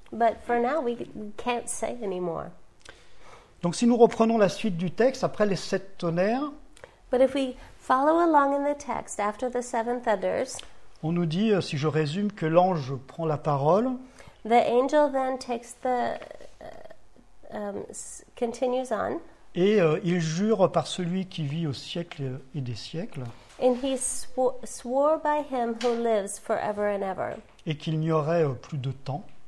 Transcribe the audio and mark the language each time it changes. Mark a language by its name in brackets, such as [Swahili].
[English] But for now, we can't say anymore. [French] Donc, si nous reprenons la suite du texte après les sept tonnerres. [English] But if we follow along in the text after the seven thunders. [French] On nous dit, si je résume, que l'ange prend la parole. [English] The angel then takes the continues on. [French] Et il jure par celui qui vit au siècle et des siècles. [English] And he swore by him who lives forever and ever. [French] Et qu'il n'y aurait plus de temps.